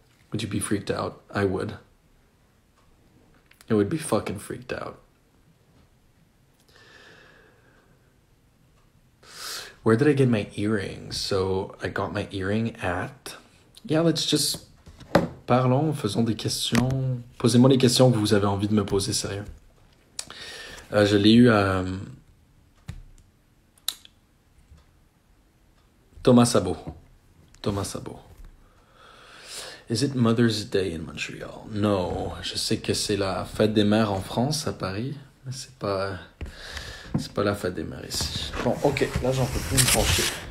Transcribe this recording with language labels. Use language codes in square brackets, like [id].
[en] Would you be freaked out? I would. It would be fucking freaked out. Where did I get my earring? So I got my earring at. Yeah, let's just. [fr] Parlons, faisons des questions. Posez-moi les questions que vous avez envie de me poser, sérieux. Je l'ai eu à. Thomas Sabo. Thomas Sabo. [en] Is it Mother's Day in Montreal? [fr] Non, je sais que c'est la fête des mères en France, à Paris, mais c'est pas la fête des mères ici. Bon, ok, là j'en peux plus me pencher.